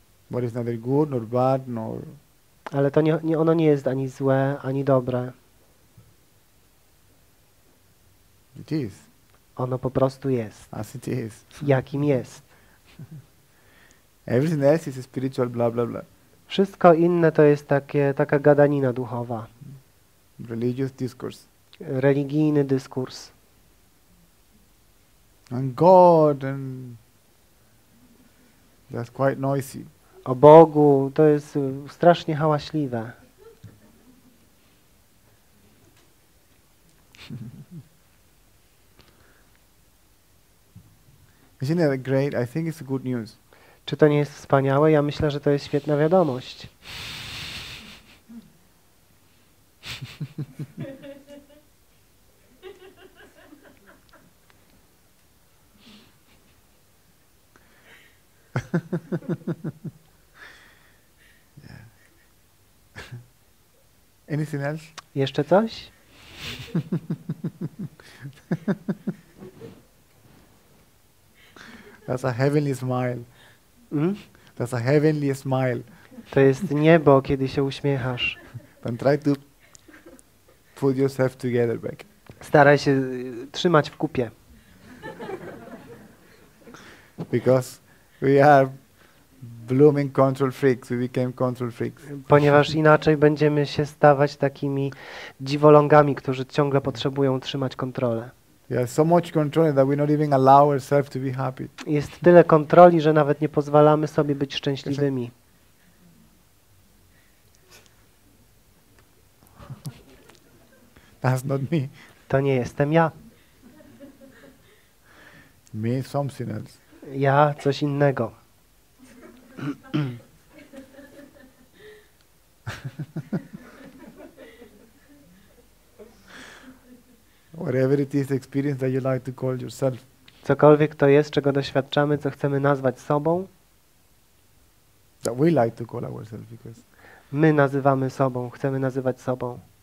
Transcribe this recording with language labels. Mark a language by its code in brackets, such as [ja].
[en] But it's neither good nor bad nor. [pl] Ale to nie ono nie jest ani złe, ani dobre. [en] It is. [pl] Ono po prostu jest. [en] As it is. [pl] Jakim jest. [en] Everything else is spiritual, blah blah blah. [pl] Wszystko inne to jest taka gadanina duchowa. [en] Religious discourse. [pl] Religijny dyskurs. [en] And God, and that's quite noisy. [pl] O Bogu, to jest strasznie hałaśliwe. [en] Isn't that great? I think it's good news. [pl] Czy to nie jest wspaniałe? Ja myślę, że to jest świetna wiadomość. [en] Anything else? [pl] Jeszcze coś? [en] That's a heavenly smile. That's a heavenly smile. [pl] To jest niebo, kiedy się uśmiechasz. [en] Then try to put yourself together back. [pl] Staraj się trzymać w kupie. [en] Because we are blooming control freaks, we became control freaks. [pl] Ponieważ inaczej będziemy się stawać takimi dziwolągami, którzy ciągle potrzebują trzymać kontrolę. [en] Yeah, so much control that we not even allow ourselves to be happy. [pl] Jest tyle kontroli, że nawet nie pozwalamy sobie być szczęśliwymi. [en] That's not me. [pl] To nie jestem ja. [en] Me something else. [pl] Ja coś innego. [en] Whatever it is, experience that you like to call yourself. [pl] Cokolwiek to jest, czego doświadczamy, co chcemy nazwać sobą. [en] That we like to call ourselves, because [pl] my nazywamy sobą, chcemy nazywać sobą.